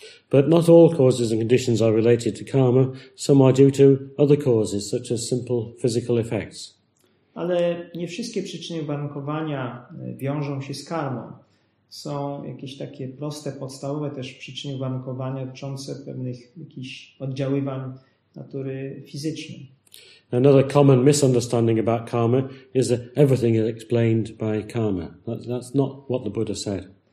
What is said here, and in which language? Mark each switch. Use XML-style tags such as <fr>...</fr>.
<en>But not all causes and conditions are related to karma. Some are due to other causes, such as simple physical effects.</en> <pl>Ale nie wszystkie przyczyny uwarunkowania wiążą się z karmą. Są jakieś takie proste, podstawowe też przyczyny uwarunkowania dotyczące pewnych jakichś oddziaływań natury fizycznej.</pl> <en>Another common misunderstanding about karma is that everything is explained by karma. That's not what the Buddha said.</en>